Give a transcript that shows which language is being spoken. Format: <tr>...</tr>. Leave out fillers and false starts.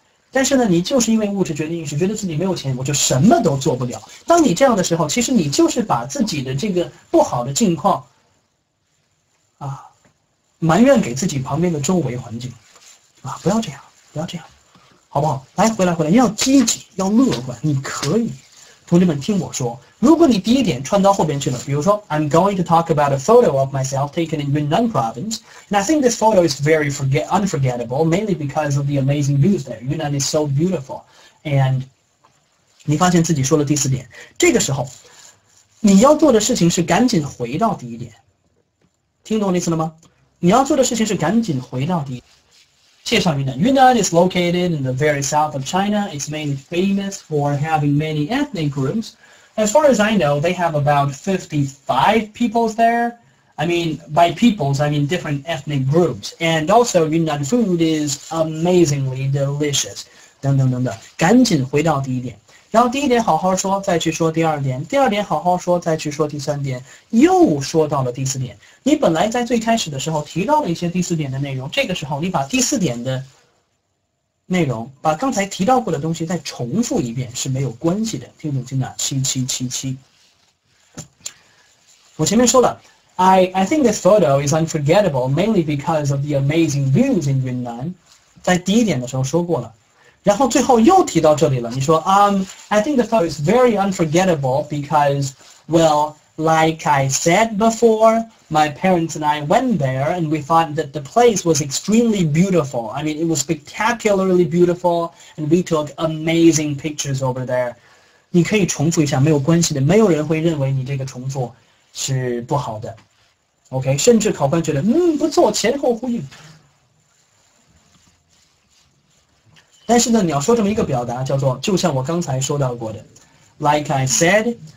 <zh>但是呢，你就是因为物质决定意识，觉得自己没有钱，我就什么都做不了。当你这样的时候，其实你就是把自己的这个不好的境况，啊，埋怨给自己旁边的周围环境，啊，不要这样，不要这样，好不好？来，回来，要积极，要乐观，你可以。同志们，听我说，如果你第一点串到后边去了，比如说</zh> <en>，I'm going to talk about a photo of myself taken in Yunnan province, and I think this photo is very unforgettable, mainly because of the amazing views there. Yunnan is so beautiful.</en> <zh>And 你发现自己说了第四点，这个时候，你要做的事情是赶紧回到第一点。听懂我的意思了吗？你要做的事情是赶紧回到第一点。介绍云南。</zh> <en>Yunnan is located in the very south of China. It's mainly famous for having many ethnic groups. As far as I know, they have about 55 peoples there. I mean, by peoples, I mean different ethnic groups. And also, Yunnan food is amazingly delicious.</en> <zh>等等等等，赶紧回到第一点。然后第一点好好说，再去说第二点。第二点好好说，再去说第三点。又说到了第四点。你本来在最开始的时候提到了一些第四点的内容，这个时候你把第四点的内容，把刚才提到过的东西再重复一遍是没有关系的。听懂听懂，7777。我前面说了，</zh> <en>I think this photo is unforgettable mainly because of the amazing views in Yunnan.</en> <zh>在第一点的时候说过了。然后最后又提到这里了，你说</zh> <en>I think the photo is very unforgettable because, well, like I said before, my parents and I went there and we thought that the place was extremely beautiful. I mean, it was spectacularly beautiful and we took amazing pictures over there.</en> <zh>你可以重复一下，没有关系的，没有人会认为你这个重复是不好的。 OK, 甚至考官觉得不错，前后呼应。但是呢，你要说这么一个表达，叫做就像我刚才说到过的 ，</zh> <en>like I said,</en>